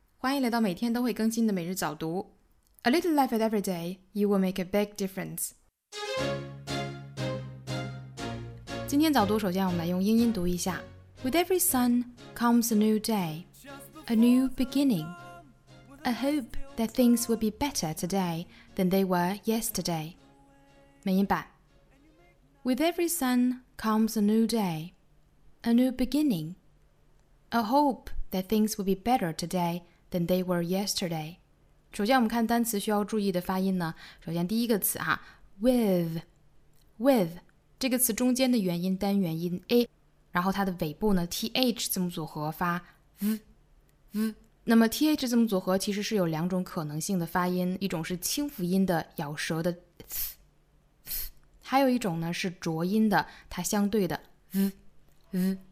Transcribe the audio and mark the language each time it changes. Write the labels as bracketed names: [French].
[Chinese] 欢迎来到每天都会更新的每日早读。 [English] A little life at every day, you will make a big difference. [Chinese] 今天早读首先我们来用英音读一下。 [English] With every sun comes a new day, a new beginning, a hope that things will be better today than they were yesterday. [Chinese] 美音版。 [English] With every sun comes a new day, a new beginning, a hope that things will be better today than they were yesterday. [Chinese] 首先我们看单词需要注意的发音呢。首先第一个词哈 with, 这个词中间的元音单元音 a, 然后它的尾部呢 th 字母组合发 v, v。那么 th 字母组合其实是有两种可能性的发音，一种是清辅音的咬舌的 th, 还有一种呢是浊音的它相对的 v, v。